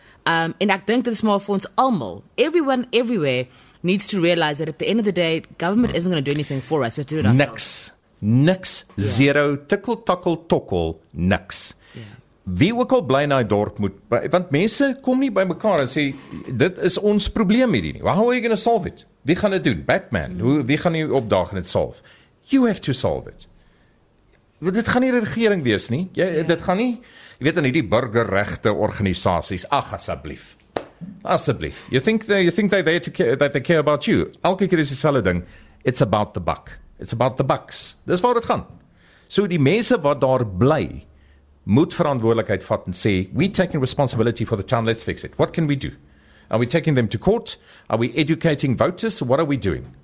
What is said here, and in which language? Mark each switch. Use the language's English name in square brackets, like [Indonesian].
[Afrikaans] En ek dink dit is maar vir ons almal. [English] Everyone everywhere needs to realize that at the end of the day, government isn't going to do anything for us. We have to do it ourselves. [Afrikaans] Niks, zero, tikkel, takkel, tokkel, niks. Yeah. Wie ook al bly in die dorp moet, want mense kom nie by mekaar en sê, dit is ons probleem hierdie nie. [English] Well, how are you going to solve it? [Afrikaans] Wie gaan dit doen? Batman, wie gaan nie opdaag en dit solve? [English] You have to solve it. [Afrikaans] Want dit gaan nie regering wees nie. Dit gaan nie, jy weet, in die burgerregte organisaties, ach, asseblief. [English] Asseblief. You think they care about you. [Afrikaans] Elke keer is die selde ding, [English] it's about the buck. It's about the bucks. [Afrikaans] Dis waar dit gaan. So die mense wat daar bly, moet verantwoordelikheid vat en sê, [English] we taking responsibility for the town, let's fix it. What can we do? Are we taking them to court? Are we educating voters? What are we doing?